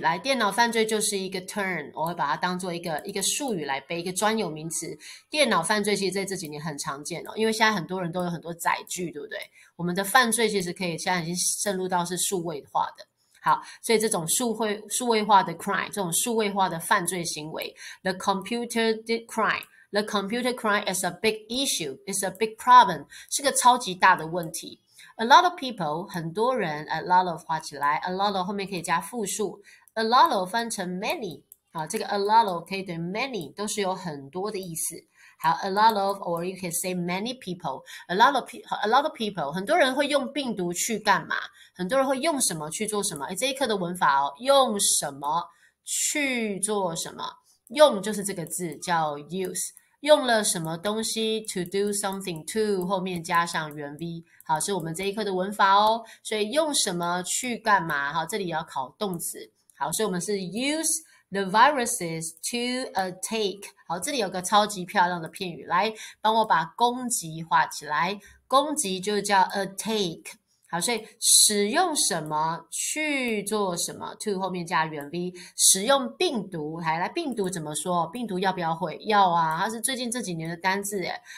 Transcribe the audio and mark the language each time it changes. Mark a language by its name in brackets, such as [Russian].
[Chinese] 来，电脑犯罪就是一个 term， 我会把它当做一个术语来背，一个专有名词。电脑犯罪其实在这几年很常见哦，因为现在很多人都有很多载具，对不对？我们的犯罪其实可以现在已经渗入到是数位化的。好，所以这种数位化的 crime， 这种数位化的犯罪行为 ， [English] the computer crime。 The computer crime is a big issue. It's a big problem. [Chinese] 是个超级大的问题。 [English] A lot of people, [Chinese] 很多人 [English] ，a lot of [Chinese] 画起来 [English] ，a lot of [Chinese] 后面可以加复数 [English] ，a lot of 翻成 many。 [Chinese] 好，这个 a lot of 可以等于 many， 都是有很多的意思。 [English] 好 ，a lot of or you can say many people. A lot of people， [Chinese] 很多人会用病毒去干嘛？很多人会用什么去做什么？哎，这一课的文法哦，用什么去做什么？用就是这个字叫 use， 用了什么东西 [English] to do something [Chinese] to 后面加上原 v， 好，是我们这一课的文法哦。所以用什么去干嘛？好，这里要考动词。好，所以我们是 [English] use the viruses to attack。 [Chinese] 好，这里有个超级漂亮的片语，来帮我把攻击画起来。攻击就叫 attack。好，所以使用什么去做什么 ，to 后面加原 v， 使用病毒，来病毒怎么说？病毒要不要会？要啊，它是最近这几年的单字诶。